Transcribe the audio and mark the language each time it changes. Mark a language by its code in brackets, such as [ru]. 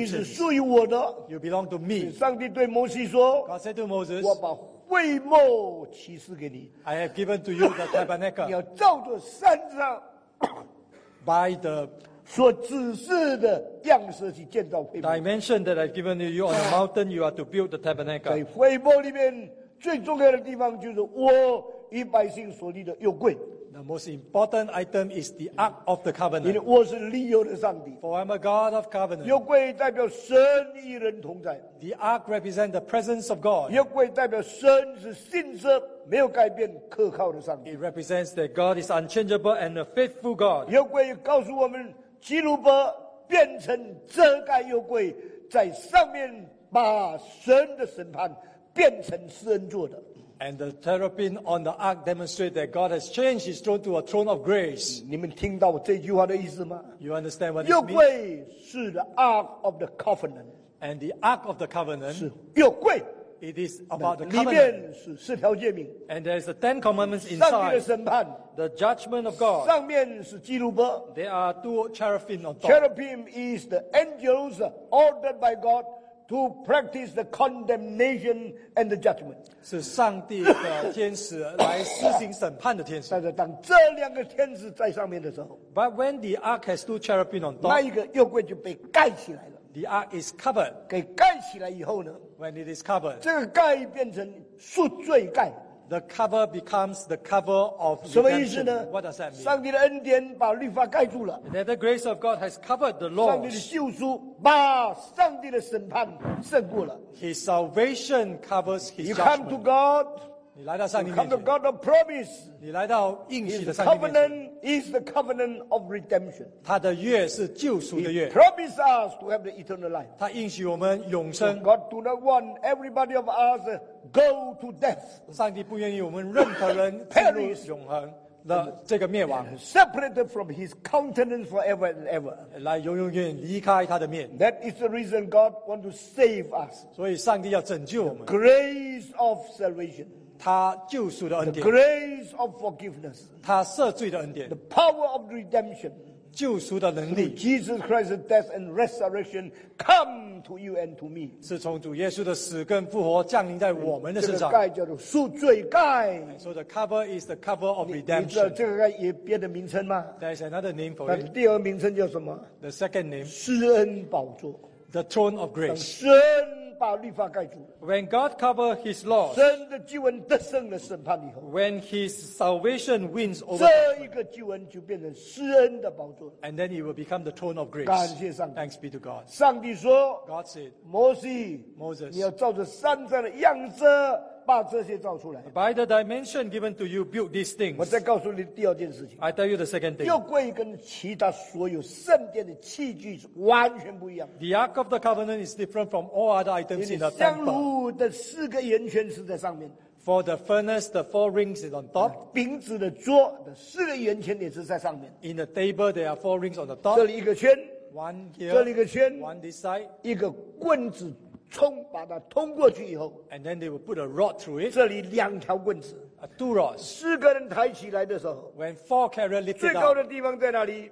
[zh] 你是属于我的 [en] ，You belong to me。 [zh] 上帝对摩西说 [en] ，God said to Moses， [zh] 我把会幕启示给你。 [en] I have given to you the tabernacle。 [zh] 你要照着山上。 [en] By the [zh] 所指示的样式去建造会幕 [en] dimension that I've given you on the mountain you are to build the tabernacle [zh] 在会幕里面最重要的地方就是我与百姓所立的约柜 [en] the most important item is the ark of the covenant [zh] 因为我是立约的上帝 [en] for I'm a God of covenant [zh] 约柜代表神与人同在 [en] the ark represents the presence of God [zh] 约柜代表神是信实没有改变可靠的上帝 [en] It represents that God is unchangeable and a faithful God [zh] 约柜告诉我们基路伯变成遮盖约柜在上面把神的审判变成施恩座的 [en] And the terrapin on the ark demonstrate that God has changed his throne to a throne of grace [zh] 你们听到这句话的意思吗 [en] You understand what it means [zh] 约柜是 [en] the ark of the covenant And the ark of the covenant [zh] 是约柜 [en] It is about the covenant. [zh] 里面是四条诫命 [en] And there is the Ten Commandments inside. [zh] 上帝的审判 [en] The judgment of God. [zh] 上面是基路伯 [en] There are two cherubim on top. Cherubim is the angels ordered by God to practice the condemnation and the judgment. [zh] 是上帝的天使来施行审判的天使但是当这两个天使在上面的时候 [en] But when the ark has two cherubim on top, [zh] 那一个右柜就被盖起来了 [en] The ark is covered. [zh] 给盖起来以后呢 [en] When it is covered, [zh] 这个盖变成赎罪盖 [en] The cover becomes the cover of redemption. [zh] 什么意思呢 [en] What does that mean? [zh] 上帝的恩典把律法盖住了 [en] That the grace of God has covered the law. [zh] 上帝的救赎把上帝的审判胜过了 [en] His salvation covers his you judgment. You come to God. [zh] 你来到上帝面前 [en] You come to God of promise. [zh] 你来到应许的上帝面前 [en] His covenant is the covenant of redemption. [zh] 他的约是救赎的约 [en] He promised us to have the eternal life. [zh] 他应许我们永生 [en] so God do not want everybody of us go to death. [zh] 上帝不愿意我们任何人进入永恒的这个灭亡 [en] Separated from his countenance forever and ever. [zh] 来永永远离开他的面 [en] That is the reason God wants to save us. [zh] 所以上帝要拯救我们 [en] the Grace of salvation. [zh] 他救赎的恩典 [en] the grace of forgiveness, [zh] 他赦罪的恩典 [en] the power of redemption, [zh] 救赎的能力 [en] Jesus Christ's death and resurrection come to you and to me [zh] 是从主耶稣的死跟复活降临在我们的身上这个盖叫做赎罪盖 [en] So the cover is the cover of redemption [zh] 你知道这个盖也别的名称吗 [en] There's another name for it [zh] 第二名称叫什么 [en] The second name [zh] 施恩宝座 [en] The throne of grace [zh] 施恩 [en] When God covers His law, [zh] 神的救恩得胜了审判以后 [en] ，When His salvation wins over, [zh] 这一个救恩就变成施恩的宝座 [en] ，And then it will become the throne of grace. [zh] 感谢上帝 [en] ，Thanks be to God. [zh] 上帝说 [en] ，God said, [zh] 摩西 [en] ，Moses, [zh] 你要照着山上的样式把这些造出来。 [en] By the dimension given to you, build these things. [zh] 我再告诉你第二件事情。 [en] I tell you the second thing. [zh] 又贵跟其他所有圣殿的器具是完全不一样。 [en] The Ark of the Covenant is different from all other items in the temple. [zh] 香炉的四个圆圈是在上面。 [en] For the furnace, the four rings is on top. [zh] 饼子的桌的四个圆圈也是在上面。 [en] In the table, there are four rings on the top. [zh] 这里一个圈。 [en] One here. [zh] 这里一个圈。 [en] One this side. [zh] 一个棍子。冲把它通过去以后 [en] ，and then they will put a rod through it。 [zh] 这里两条棍子 [en] ，two rods。 [zh] 四个人抬起来的时候 [en] ，when four carry lifted up。 [zh] 最高的地方在哪里